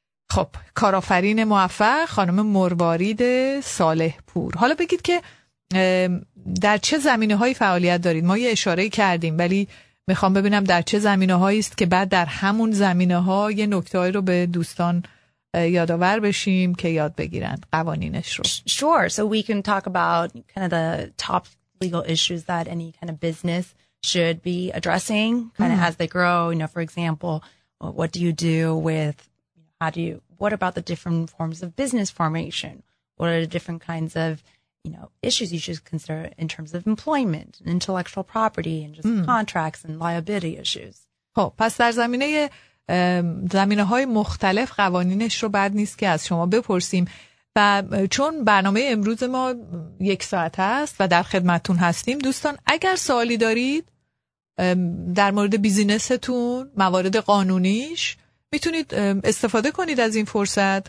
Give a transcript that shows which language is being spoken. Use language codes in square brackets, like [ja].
[fa] خب، کارآفرین موفق خانم مروارید صالح پور، حالا بگید که در چه زمینه هایی فعالیت دارید؟ ما یه اشاره کردیم ولی میخوام ببینم در چه زمینه هایی است که بعد در همون زمینه ها یه نکته هایی رو به دوستان یادآور بشیم که یاد بگیرن قوانینش رو. [en] Sure, so we can talk about kind of the top legal issues that any kind of business should be addressing kind of as they grow. You know, for example, what do you do with what about the different forms of business formation? What are the different kinds of, you know, issues you should consider in terms of employment and intellectual property and just contracts and liability issues? [fa] خب، پس در زمینه‌های مختلف قوانینش رو بد نیست که از شما بپرسیم. و چون برنامه امروز ما یک ساعت است و در خدمتتون هستیم، دوستان اگر سوالی دارید در مورد بیزینستون، موارد قانونیش، میتونید استفاده کنید از این فرصت.